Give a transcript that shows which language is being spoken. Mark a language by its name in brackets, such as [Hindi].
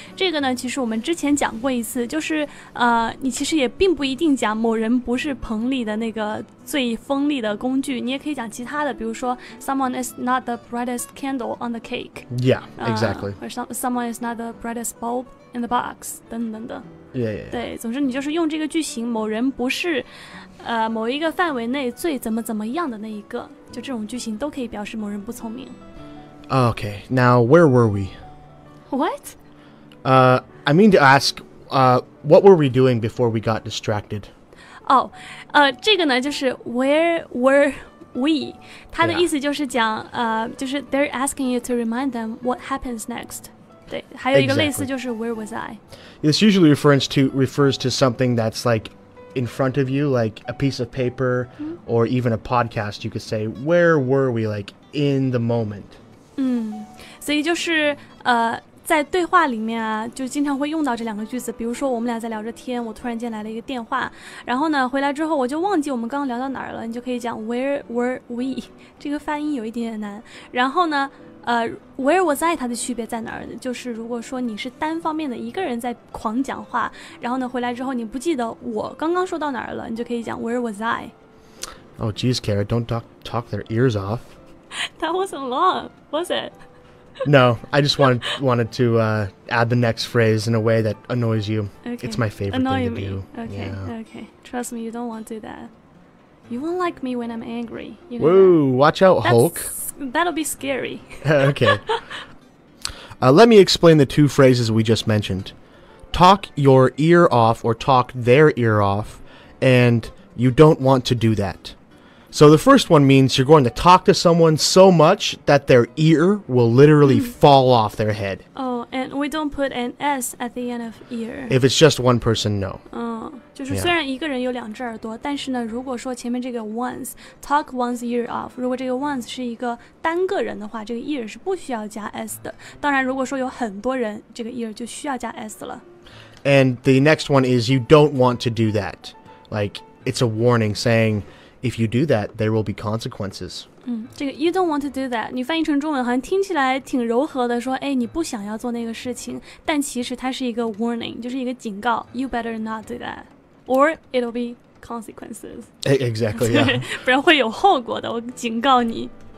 [Chinese] 这个呢，其实我们之前讲过一次，就是你其实也并不一定讲某人不是棚里的那个最锋利的工具，你也可以讲其他的，比如说 [English] someone is not the brightest candle on the cake. Yeah, exactly. Or someone is not the brightest bulb in the box, [Chinese] 等等的。 [English] Yeah. [Chinese] 对，总之你就是用这个句型，某人不是，某一个范围内最怎么怎么样的那一个，就这种句型都可以表示某人不聪明。 [English] Okay, now where were we? What? I mean to ask, what were we doing before we got distracted? [Chinese] Oh, 这个呢就是 where were we? 它的意思就是讲，就是 [English] they're asking you to remind them what happens next. [Chinese] 对，还有一个类似就是 Where was I? [English] This usually refers to something that's like in front of you, like a piece of paper, or even a podcast. You could say Where were we? Like in the moment. [Chinese] 所以就是在对话里面啊，就经常会用到这两个句子。比如说我们俩在聊着天，我突然间来了一个电话，然后呢回来之后我就忘记我们刚刚聊到哪儿了。你就可以讲 Where were we? 这个发音有一点点难。然后呢？Where was I? 它的区别在哪儿呢？就是如果说你是单方面的一个人在狂讲话，然后呢回来之后你不记得我刚刚说到哪儿了，你就可以讲 Where was I? [English] Oh, geez, Kara, don't talk their ears off. That wasn't long, was it? No, I just wanted to add the next phrase in a way that annoys you. Okay. It's my favorite annoy thing to me. Do. Okay. Trust me, you don't want to do that. You won't like me when I'm angry. You know? Whoa, watch out, Hulk. That'll be scary. Okay. Let me explain the two phrases we just mentioned. Talk your ear off or talk their ear off, and you don't want to do that. So the first one means you're going to talk to someone so much that their ear will literally fall off their head. Oh, and we don't put an S at the end of ear. If it's just one person, no. [Chinese] Oh, 就是虽然一个人有两只耳朵，但是呢，如果说前面这个 once, talk one's ear off, 如果这个 once 是一个单个人的话，这个 ear 是不需要加 S 的。当然，如果说有很多人，这个 ear 就需要加 S 了。 [English] And the next one is you don't want to do that. Like, it's a warning saying... If you do that, there will be consequences. [Chinese] 这个 [English] you don't want to do that. [Chinese] 你翻译成中文好像听起来挺柔和的，说哎，你不想要做那个事情，但其实它是一个 warning， 就是一个警告。 [English] You better not do that, or it'll be consequences. Exactly. Yeah. [Chinese] 不然会有后果的。我警告你。